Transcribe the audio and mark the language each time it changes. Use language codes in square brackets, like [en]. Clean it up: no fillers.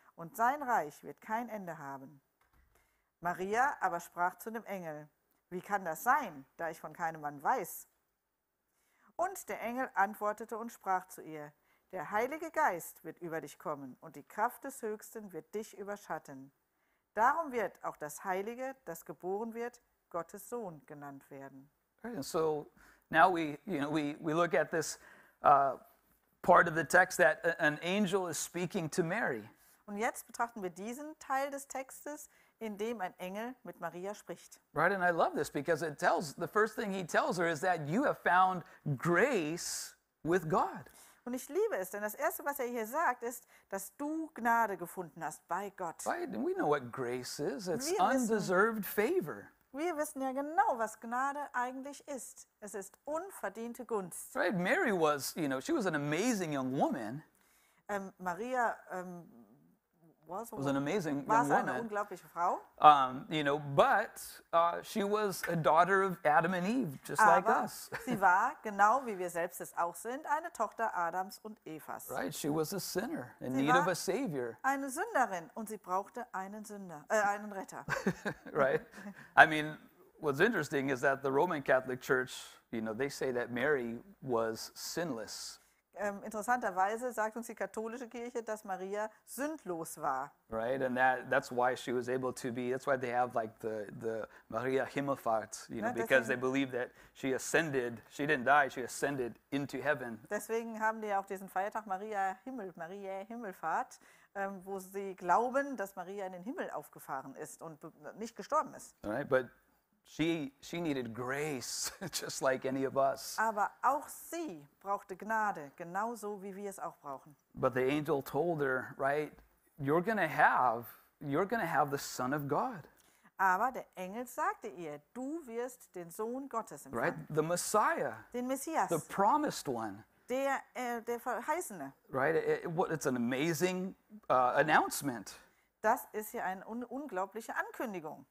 [de] Und sein Reich wird kein Ende haben. Maria aber sprach zu dem Engel, wie kann das sein, da ich von keinem Mann weiß? Und der Engel antwortete und sprach zu ihr, der Heilige Geist wird über dich kommen und die Kraft des Höchsten wird dich überschatten. Darum wird auch das Heilige, das geboren wird, Gottes Sohn genannt werden. [en] And so now we look at this part of the text that an angel is speaking to Mary. [de] Und jetzt betrachten wir diesen Teil des Textes, in dem ein Engel mit Maria spricht. [en] Right, and I love this because it tells, the first thing he tells her is that you have found grace with God. [de] Und ich liebe es, denn das Erste, was er hier sagt, ist, dass du Gnade gefunden hast bei Gott. [en] Right, and we know what grace is. It's undeserved favor. [de] Wir wissen ja genau, was Gnade eigentlich ist. Es ist unverdiente Gunst. [en] Right, Mary was, you know, she was an amazing young woman. Maria was an amazing young woman. [de] Eine unglaubliche Frau. [en] You know, but she was a daughter of Adam and Eve, just [de] Aber [en] like us. [de] Sie war, genau wie wir selbst es auch sind, eine Tochter Adams und Evas. [en] Right, she was a sinner in [de] sie [en] need of a savior. [de] Eine Sünderin und sie brauchte einen Sünder, einen Retter. [en] Right. I mean, what's interesting is that the Roman Catholic Church, you know, they say that Mary was sinless. [de] Interessanterweise sagt uns die katholische Kirche, dass Maria sündlos war. [en] Right, and that's why she was able to be, that's why they have like the Maria Himmelfahrt, you know, because they believe that she ascended, she didn't die, she ascended into heaven. [de] Deswegen haben die auch diesen Feiertag Maria Himmelfahrt, wo sie glauben, dass Maria in den Himmel aufgefahren ist und nicht gestorben ist. [en] Right, but She needed grace, just like any of us. [de] Aber auch sie brauchte Gnade, genauso wie wir es auch brauchen. [en] But the angel told her, right, you're gonna have the Son of God. [de] Aber der Engel sagte ihr, du wirst den Sohn Gottes empfangen. [en] Right, the Messiah. [de] Den Messias. [en] The promised one. [de] Der Verheißene. [en] Right, it's an amazing announcement. [de] Das ist hier eine unglaubliche Ankündigung.